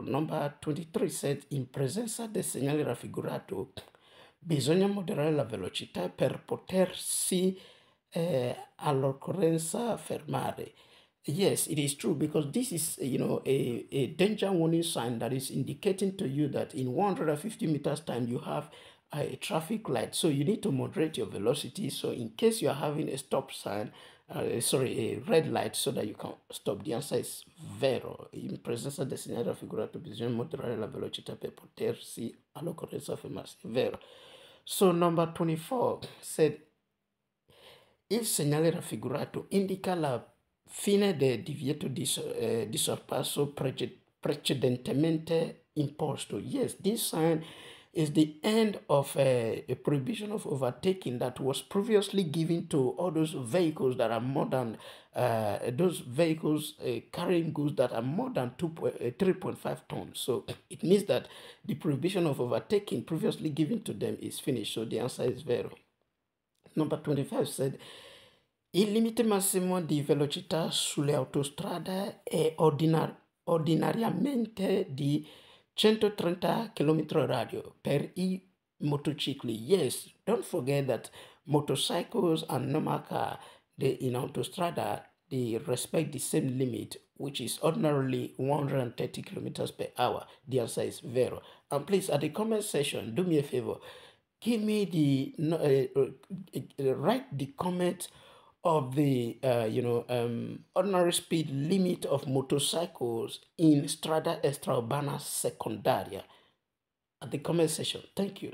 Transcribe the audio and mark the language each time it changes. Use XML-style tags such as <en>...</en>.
<en>Number 23 said,</en> <it>in presenza del segnale raffigurato bisogna moderare la velocità per potersi all'occorrenza fermare.</it> <en>Yes, it is true, because this is, a danger warning sign that is indicating to you that in 150 meters time you have a traffic light. So you need to moderate your velocity. So in case you are having a stop sign, a red light, so that you can stop. The answer is vero.</en> <it>In presenza del segnale raffigurato bisogna moderare la velocità per potersi all'occorrenza fermarsi. Vero.</it> <en>So number 24 said,</en> <it>il segnale raffigurato indica la fine del divieto di sorpasso precedentemente imposto.</it> <en>Yes, this sign is the end of a prohibition of overtaking that was previously given to all those vehicles that are more than carrying goods that are more than 3.5 tons. So it means that the prohibition of overtaking previously given to them is finished. So the answer is vero. Number 25 said,</en> <it>il limite massimo di velocità sulle autostrade è ordinariamente di 130 km radio per i motocicli.</it> <en>Yes, don't forget that motorcycles and normal car, in autostrada, they respect the same limit, which is ordinarily 130 km per hour. The answer is vero. And please, at the comment section, do me a favor. Give me the, write the comment of the ordinary speed limit of motorcycles in Strada Extraurbana Secondaria at the comment section. Thank you.</en>